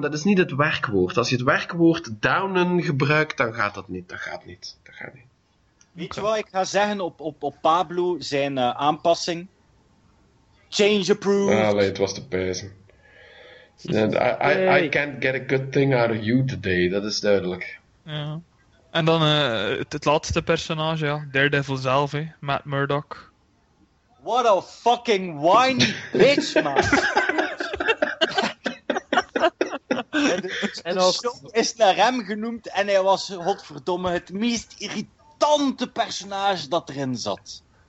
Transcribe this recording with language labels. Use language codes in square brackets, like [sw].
[nl] Dat is niet het werkwoord. Als je het werkwoord downen gebruikt, dan gaat dat niet. Dat gaat niet. Weet je wat ik ga zeggen op Pablo, zijn aanpassing? [en] Change approved. [nl] Ah, allee, het was te pezen. [en] I can't get a good thing out of you today. [nl] Dat is duidelijk. Ja. En dan het laatste personage, Daredevil zelf, Matt Murdock. [en] What a fucking whiny bitch, man. [nl] en de show is naar hem genoemd en hij was, godverdomme, het meest irritante personage dat erin zat.